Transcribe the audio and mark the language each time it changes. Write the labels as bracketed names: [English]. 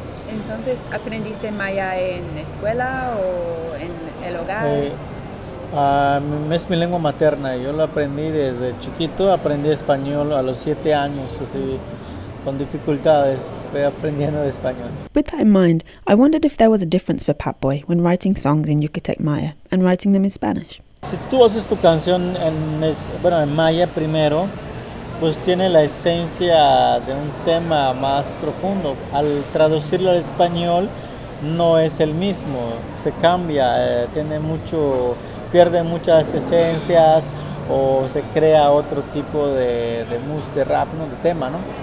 [Spanish] Entonces, ¿aprendiste maya en escuela o en el hogar? Es mi lengua materna, yo lo aprendí desde chiquito, aprendí español a los 7 años, así, con dificultades, fui aprendiendo español. [English] With that in mind, I wondered if there was a difference for Pat Boy when writing songs in Yucatec Maya and writing them in Spanish. [Spanish] Si tú haces tu canción en maya primero, pues tiene la esencia de un tema más profundo. Al traducirlo al español no es el mismo, se cambia, tiene mucho, pierde muchas esencias o se crea otro tipo de rap, ¿no? De tema, ¿no?